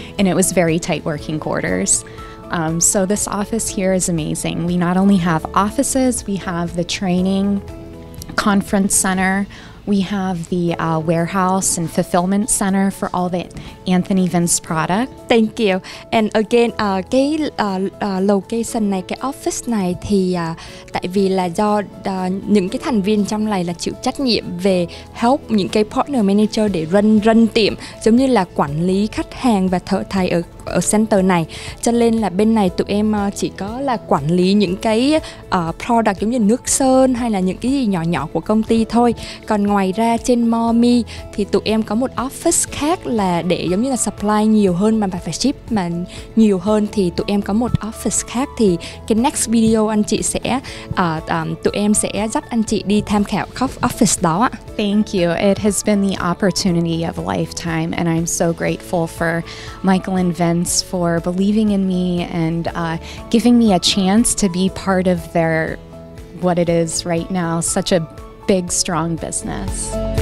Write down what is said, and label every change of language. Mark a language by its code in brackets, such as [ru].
[en] And it was very tight working quarters. So this office here is amazing. We not only have offices, we have the training conference center, we have the warehouse and fulfillment center for all the Anthony Vince product. Thank you. And again, [vi] cái location này, cái office này thì tại vì là do những cái thành viên trong này là chịu trách nhiệm về help những cái partner manager để run tiệm, giống như là quản lý khách hàng và thợ thay ở center này. Cho nên là bên này tụi em chỉ có là quản lý những cái product giống như nước sơn hay là những cái gì nhỏ nhỏ của công ty thôi. Còn ngoài ra trên Mommy thì tụi em có một office khác là để giống như là supply nhiều hơn mà phải ship mà nhiều hơn, thì tụi em có một office khác. Thì cái next video anh chị sẽ tụi em sẽ dắt anh chị đi tham khảo office đó. [en] Thank you. It has been the opportunity of a lifetime and I'm so grateful for Michael and Vince parents for believing in me and giving me a chance to be part of their, what it is right now, such a big, strong business.